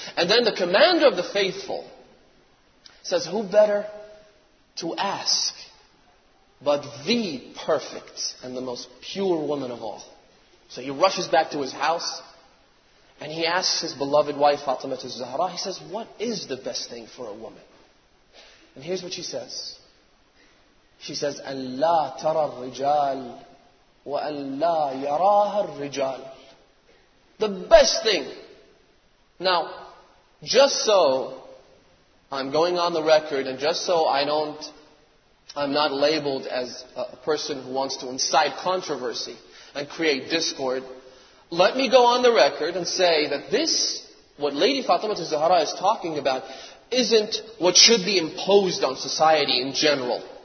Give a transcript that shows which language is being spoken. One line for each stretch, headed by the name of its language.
English: And then the commander of the faithful says, who better to ask but the perfect and the most pure woman of all? So he rushes back to his house, and he asks his beloved wife, Fatima al-Zahra, he says, what is the best thing for a woman? And here's what she says.
Arabic: She says, أَلَّا تَرَى الرِّجَالِ وَأَلَّا يَرَاهَا الرِّجَالِ.
English: The best thing. Now, just so I'm going on the record, and just so I'm not labeled as a person who wants to incite controversy and create discord, let me go on the record and say that this, what Lady Fatimah Zahra is talking about, isn't what should be imposed on society in general.